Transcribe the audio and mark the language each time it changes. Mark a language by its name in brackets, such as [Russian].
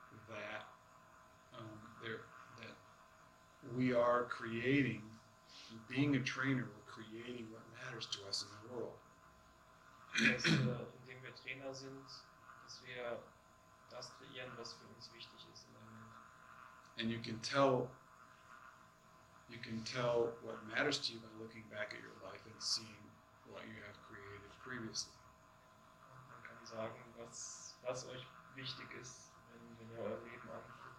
[English] that we are creating, being a trainer, we're creating what matters to us in the world. [German] Indem wir Trainer sind, dass wir das kreieren, was für uns wichtig ist in der Welt. [English] And you can tell what matters to you by looking back at your life and seeing what you have created previously. [German] Man kann sagen, was euch wichtig ist, wenn ihr euer Leben anfängt.